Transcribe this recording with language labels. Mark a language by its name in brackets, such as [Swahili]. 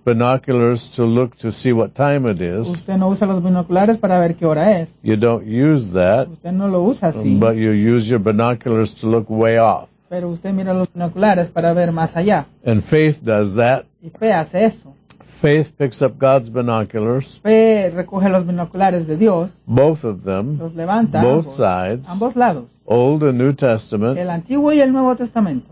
[English] binoculars to look to see what time it is. [Spanish] Usted no usa los binoculares para ver qué hora es. [English] You don't use that. [Spanish] Usted no lo usa así. [English] But you use your binoculars to look way off. [Spanish] Pero usted mira los binoculares para ver más allá. [English] And faith does that. [Spanish] Y fe hace eso. [English] Faith picks up God's binoculars. [Spanish] Fe recoge los binoculares de Dios. [English] Both of them. [Spanish] Los levanta. [English] Both [Spanish] ambos, [English] sides. [Spanish] Ambos lados. [English] Old and New Testament. [Spanish] El Antiguo y el Nuevo Testamento.